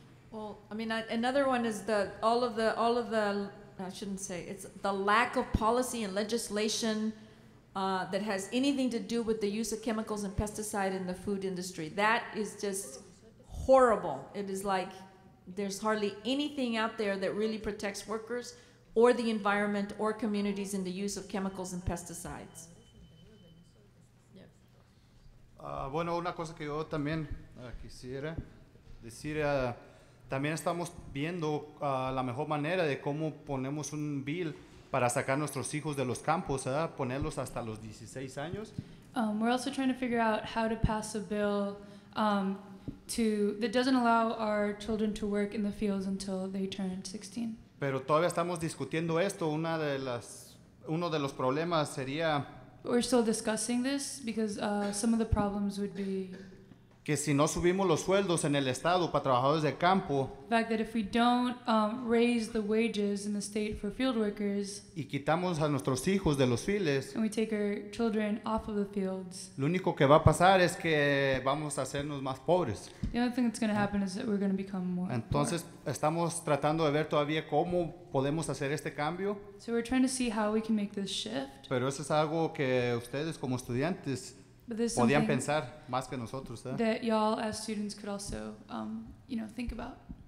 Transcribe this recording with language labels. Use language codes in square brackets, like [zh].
[en] Well, I mean, another one is the lack of policy and legislation that has anything to do with the use of chemicals and pesticide in the food industry. That is just horrible. It is like there's hardly anything out there that really protects workers or the environment or communities in the use of chemicals and pesticides. [es] Bueno, una cosa que yo también quisiera decir, también estamos viendo la mejor manera de cómo ponemos un bill para sacar nuestros hijos de los campos, ponerlos hasta los 16 años. [en] We're also trying to figure out how to pass a bill that doesn't allow our children to work in the fields until they turn 16. [es] Pero todavía estamos discutiendo esto. Uno de los problemas sería... [en] We're still discussing this because some of the problems would be... [es] Que si no subimos los sueldos en el estado para trabajadores de campo... [en] The fact that if we don't raise the wages in the state for field workers... [es] Y quitamos a nuestros hijos de los files... [en] And we take our children off of the fields... [es] Lo único que va a pasar es que vamos a hacernos más pobres. [en] The only thing that's going to happen is that we're going to become more [es] Entonces, [en] poor. [es] Estamos tratando de ver todavía cómo podemos hacer este cambio. [en] So we're trying to see how we can make this shift. [es] Pero eso es algo que ustedes como estudiantes... [en] But this is something [es] pensar más que nosotros, ¿eh? [en] That y'all as students could also, you know, think about.